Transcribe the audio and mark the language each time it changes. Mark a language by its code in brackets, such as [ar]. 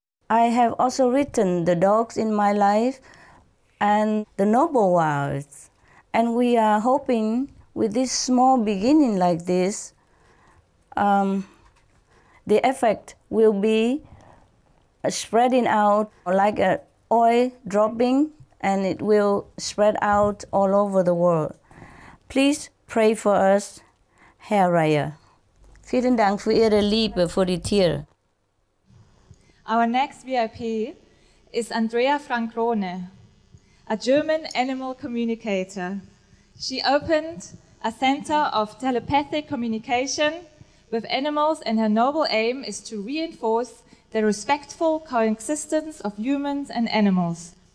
[en] I have also written the dogs in my life and the noble wilds, and we are hoping with this small beginning like this, the effect will be spreading out like an oil dropping, and it will spread out all over the world. Please pray for us, Herr Raya. [de] Vielen Dank für Ihre Liebe für die Tiere. [en] Our next VIP is Andrea Frankrone, a German animal communicator. She opened a center of telepathic communication with animals, and her noble aim is to reinforce the respectful coexistence of humans and animals.